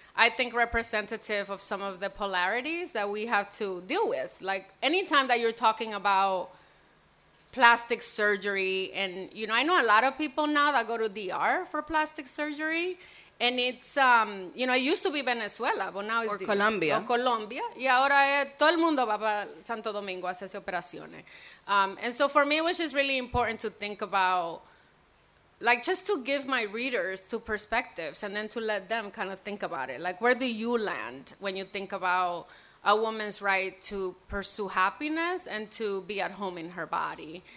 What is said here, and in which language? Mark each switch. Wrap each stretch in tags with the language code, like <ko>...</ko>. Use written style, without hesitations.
<en>I think representative of some of the polarities that we have to deal with. Like anytime that you're talking about plastic surgery and, you know, I know a lot of people now that go to DR for plastic surgery and it's, you know, it used to be Venezuela, but now it's or Colombia. Or Colombia.</en> <es>Y ahora todo el mundo va para Santo Domingo a hacerse operaciones.</es> <en>And so for me, it was just really important to think about like, just to give my readers two perspectives and then to let them kind of think about it. Like, where do you land when you think about a woman's right to pursue happiness and to be at home in her body?</en>